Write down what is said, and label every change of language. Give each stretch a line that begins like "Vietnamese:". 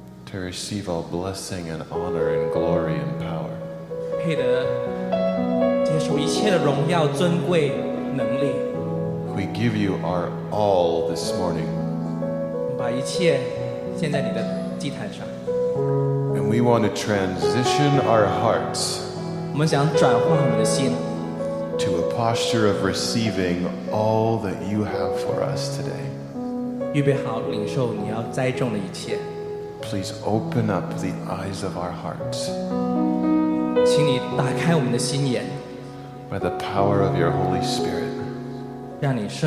English: to receive all blessing and honor and glory and power.
Chinese: 配得接受一切的荣耀尊贵能力。
English: We give you our all this morning.
Chinese: 把一切献在你的祭坛上。
English: And we want to transition our hearts to a posture of receiving all that you have for us today. Please open up the eyes of our hearts. By the power of your Holy Spirit.